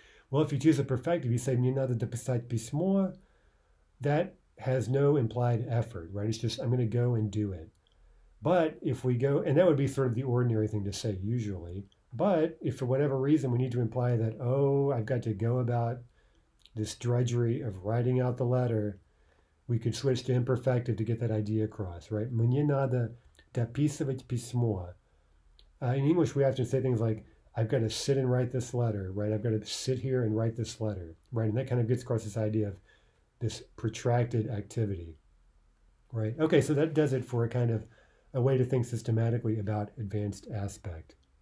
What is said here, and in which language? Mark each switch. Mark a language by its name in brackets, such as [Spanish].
[English] Well, if you choose a perfective, you say, [Russian] мне надо дописать письмо, [English] that has no implied effort, right? It's just, I'm going to go and do it. But if we go, and that would be sort of the ordinary thing to say usually, but if for whatever reason we need to imply that, oh, I've got to go about this drudgery of writing out the letter, we could switch to imperfective to get that idea across, right? [Russian] Мне надо дописывать письмо. [English] In English, we often say things like, I've got to sit and write this letter, right? I've got to sit here and write this letter, right? And that kind of gets across this idea of this protracted activity, right? Okay, so that does it for a kind of a way to think systematically about advanced aspect.